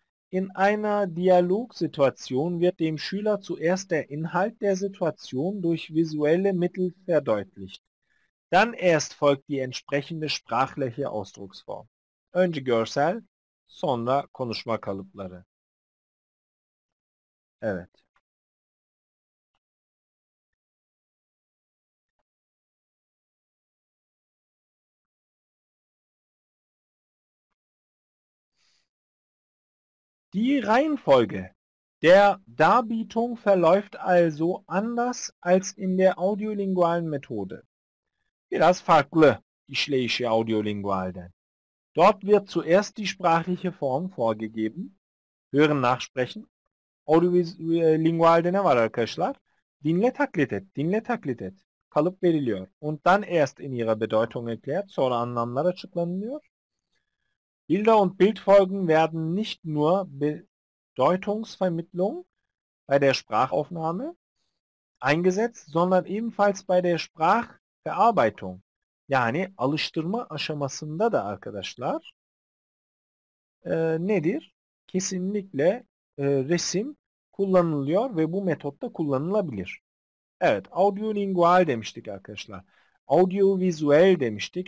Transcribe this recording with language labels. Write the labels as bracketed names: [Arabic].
[German] In einer Dialogsituation wird dem Schüler zuerst der Inhalt der Situation durch visuelle Mittel verdeutlicht. Dann erst folgt die entsprechende sprachliche Ausdrucksform. [Turkish] Önce görsel, sonra konuşma kalıpları. Evet. [German] Die Reihenfolge der Darbietung verläuft also anders als in der audiolingualen Methode. [Turkish] Biraz farklı işleyişi audiolingualde. [German] Dort wird zuerst die sprachliche Form vorgegeben. Hören, nachsprechen. [Turkish] Audiolingualde ne var arkadaşlar? Dinle, taklit et. Dinle, taklit et. Kalıp veriliyor. [German] Und dann erst in ihrer Bedeutung erklärt, [Turkish] sonra anlamlar açıklanılıyor. [German] Bilder und Bildfolgen werden nicht nur Bedeutungsvermittlung bei der Sprachaufnahme eingesetzt, sondern ebenfalls bei der Sprachverarbeitung. [Turkish] Yani alıştırma aşamasında da arkadaşlar nedir? Kesinlikle resim kullanılıyor ve bu metotta kullanılabilir. Evet, audiolingual demiştik arkadaşlar. Audiovisuel demiştik.